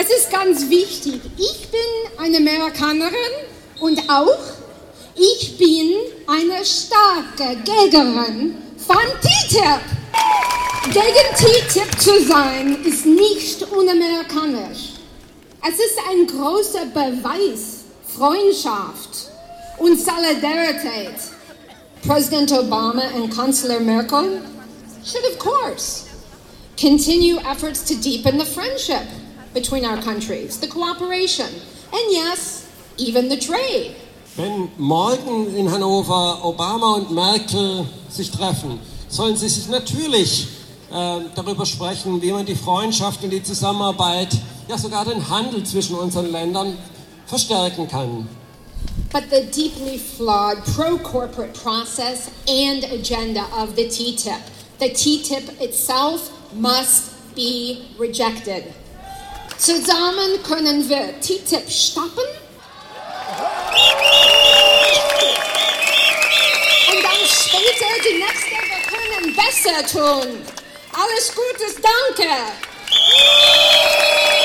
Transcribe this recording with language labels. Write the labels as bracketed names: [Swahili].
[German] Ganz wichtig, ich bin eine Amerikanerin und auch ich bin eine starke Gegnerin von TTIP. Gegen TTIP zu sein ist nicht unamerikanisch. Es ist ein großer Beweis Freundschaft und Solidarität. [English] President Obama and Chancellor Merkel should of course continue efforts to deepen the friendship between our countries, the cooperation, and yes, even the trade. [German] Wenn morgen in Hannover Obama und Merkel sich treffen, sollen sie sich natürlich darüber sprechen, wie man die Freundschaft und die Zusammenarbeit, ja sogar den Handel zwischen unseren Ländern verstärken kann. [English] But the deeply flawed pro-corporate process and agenda of the TTIP itself must be rejected. [German] Zusammen können wir TTIP stoppen und dann später die nächste, wir können besser tun. Alles Gute, danke!